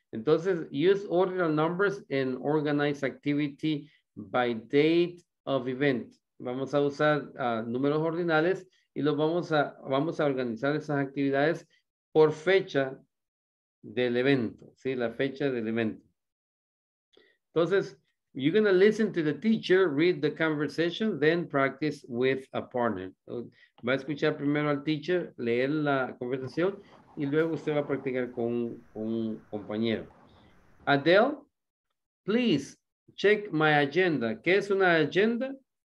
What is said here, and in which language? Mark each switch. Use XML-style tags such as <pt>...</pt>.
<en>Entonces, use ordinal numbers and organize activity by date of event.</en> <es>Vamos a usar números ordinales y los vamos a organizar esas actividades por fecha del evento, ¿sí? La fecha del evento.</es> <en>Entonces, you're going to listen to the teacher, read the conversation, then practice with a partner.</en> <es>Va a escuchar primero al teacher, leer la conversación, y luego usted va a practicar con un compañero.</es> <en>Adele, please check my agenda.</en> <es>¿Qué es una agenda?</es>